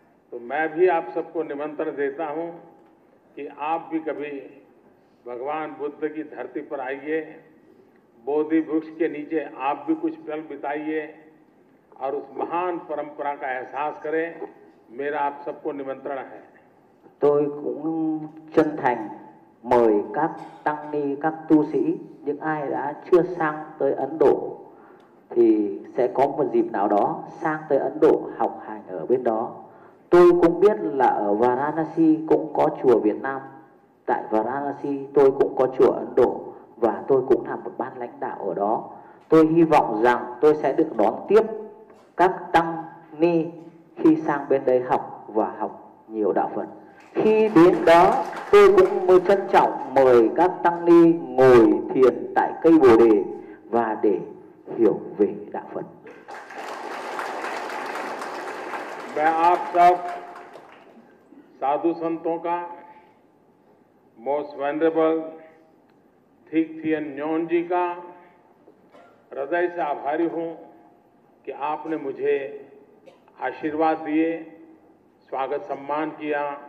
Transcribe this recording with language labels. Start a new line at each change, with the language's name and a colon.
Hindi: तो मैं भी आप सबको निमंत्रण देता हूं कि आप भी कभी भगवान बुद्ध की धरती पर आइए, बोधि वृक्ष के नीचे आप भी कुछ पल बिताइए और उस महान परंपरा का एहसास करें। मेरा आप सबको निमंत्रण है।
Vietnamese: Tôi cũng chân thành mời các tăng ni, các tu sĩ, những ai đã chưa sang tới Ấn Độ thì sẽ có một dịp nào đó sang tới Ấn Độ học hành ở bên đó. Tôi cũng biết là ở Varanasi cũng có chùa Việt Nam, tại Varanasi tôi cũng có chùa Ấn Độ và tôi cũng là một ban lãnh đạo ở đó. Tôi hy vọng rằng tôi sẽ được đón tiếp các tăng ni khi sang bên đây học và học nhiều đạo Phật. Khi đến đó tôi cũng mới trân trọng mời các tăng ni ngồi thiền tại cây Bồ Đề và để hiểu về đạo Phật.
Hindi: मैं आप सब साधु संतों का, most venerable thick थियन neon जी का हृदय से आभारी हूं कि आपने मुझे आशीर्वाद दिए, स्वागत सम्मान किया।